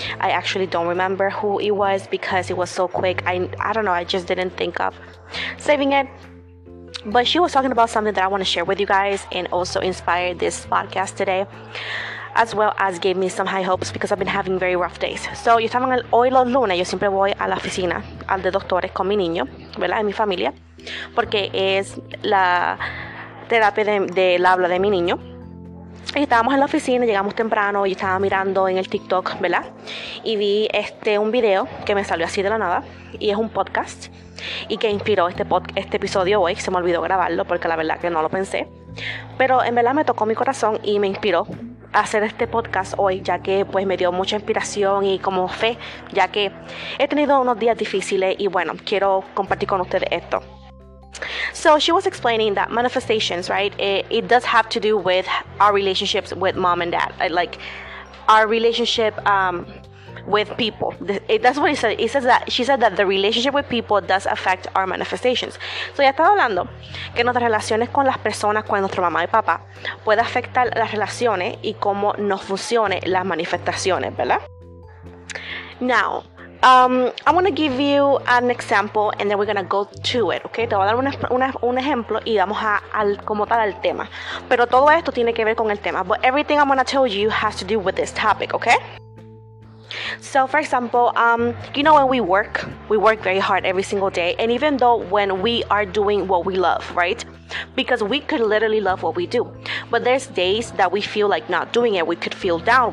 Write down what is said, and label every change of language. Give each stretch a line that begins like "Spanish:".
English: I actually don't remember who it was because it was so quick. I don't know, I just didn't think of saving it. But she was talking about something that I want to share with you guys and also inspired this podcast today, as well as gave me some high hopes because I've been having very rough days.
Spanish: So, yo estaba en el, hoy los lunes, yo siempre voy a la oficina, al de doctores con mi niño, ¿verdad? En mi familia, porque es la terapia del habla de mi niño. Y estábamos en la oficina, llegamos temprano y estaba mirando en el TikTok, ¿verdad? Y vi un video que me salió así de la nada y es un podcast y que inspiró este episodio hoy. Se me olvidó grabarlo porque la verdad que no lo pensé. Pero en verdad me tocó mi corazón y me inspiró a hacer este podcast hoy, ya que pues me dio mucha inspiración y como fe, ya que he tenido unos días difíciles y bueno, quiero compartir con ustedes esto.
English: So she was explaining that manifestations, right, it does have to do with our relationships with mom and dad, like our relationship with people. That's what he said. He says that she said that the relationship with people does affect our manifestations.
Spanish: So ya estaba hablando que nuestras relaciones con las personas, con nuestra mamá y papá, puede afectar las relaciones y cómo no funcionen las manifestaciones, ¿verdad?
English: Now, I want to give you an example and then we're going to go to it, okay?
Spanish: Te voy a dar un ejemplo y vamos al como tal al tema. Pero todo esto tiene que ver con el tema.
English: But everything I'm going to tell you has to do with this topic, okay? So, for example, you know when we work very hard every single day. And even though when we are doing what we love, right? Because we could literally love what we do. But there's days that we feel like not doing it. We could feel down.